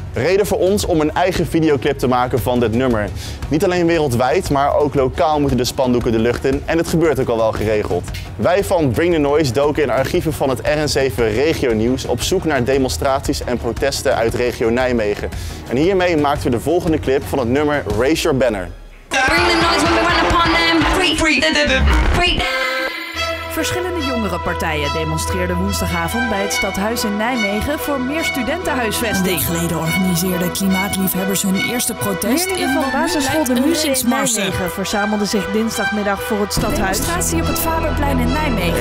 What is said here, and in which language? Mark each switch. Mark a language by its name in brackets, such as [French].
[Dutch] Reden voor ons om een eigen videoclip te maken van dit nummer. Niet alleen wereldwijd, maar ook lokaal moeten de spandoeken de lucht in en het gebeurt ook al wel geregeld. Wij van Bring the Noise doken in archieven van het RN7 Regio Nieuws op zoek naar demonstraties en protesten uit regio Nijmegen. En hiermee maakten we de volgende clip van het nummer Raise Your Banner. [English] Bring the noise when we run upon them. [Dutch] Verschillende jongere partijen demonstreerden woensdagavond bij het stadhuis in Nijmegen voor meer studentenhuisvesting. Een week geleden organiseerden klimaatliefhebbers hun eerste protest. Leerlingen van basisschool De Muze in Nijmegen verzamelden zich dinsdagmiddag voor het stadhuis. Demonstratie op het Vaderplein in Nijmegen.